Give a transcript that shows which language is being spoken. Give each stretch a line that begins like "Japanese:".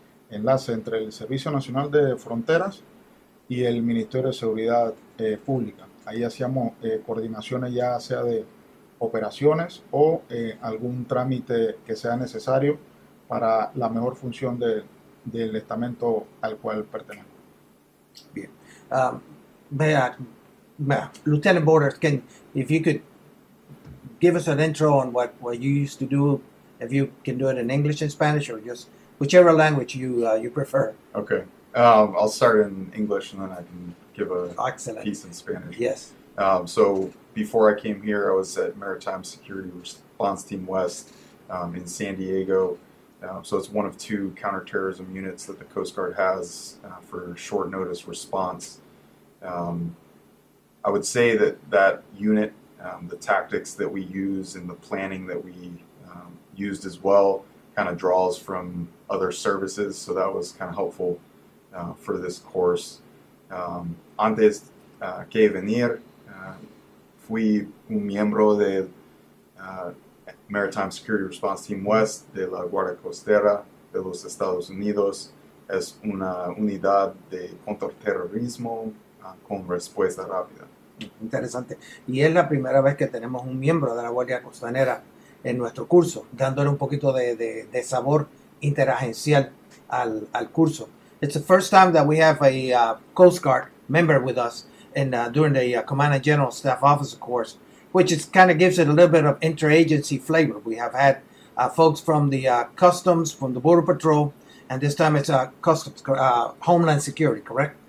Spanish: Enlace entre el Servicio Nacional de Fronteras y el Ministerio de Seguridad Pública. Ahí hacíamos coordinaciones, ya sea de operaciones o algún trámite que sea necesario para la mejor función del estamento al cual pertenezco. Bien.
English: Lieutenant Borders, if you could give us an intro on what you used to do, if you can do it in English and Spanish, or just whichever language you prefer. Okay. I'll start in English and then I can give a Excellent. Piece in Spanish. Yes. So before I came here, I was at Maritime Security Response Team West in San Diego. So it's one of two counterterrorism units that the Coast Guard has for short notice response. I would say that unit, the tactics that we use and the planning that we used as well, kind of draws from other services. So that was kind of helpful for this course.
Spanish: Antes que venir, fui un miembro de Maritime Security Response Team West de la Guardia Costera de los Estados Unidos. Es una unidad de contraterrorismo con respuesta rápida. Interesante. Y es la primera vez que tenemos un miembro de la Guardia Costanera en nuestro curso, dándole un poquito de sabor interagencial al curso.
English: It's the first time that we have a Coast Guard member with us during the Command and General Staff Officer course, which is kind of gives it a little bit of interagency flavor. We have had folks from the Customs, from the Border Patrol, and this time it's Customs, Homeland Security, correct?